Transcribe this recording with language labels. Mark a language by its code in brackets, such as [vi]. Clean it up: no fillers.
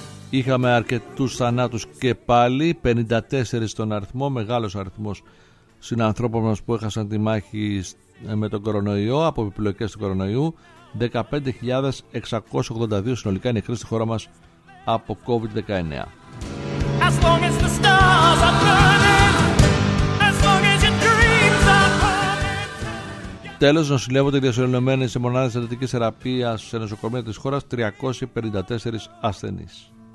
[el] Είχαμε αρκετούς θανάτους και πάλι, 54 στον αριθμό, μεγάλος αριθμός συνανθρώπων μας που έχασαν τη μάχη με τον κορονοϊό, από επιπλοκές του κορονοϊού, 15.682 συνολικά είναι νεκροί στη χώρα μας από COVID-19. [en] As long as the stars are burning, as long as your dreams are burning. [el] Τέλος, νοσηλεύονται οι διασωληνωμένοι σε μονάδες εντατικής θεραπείας σε νοσοκομεία της χώρας 354 ασθενείς.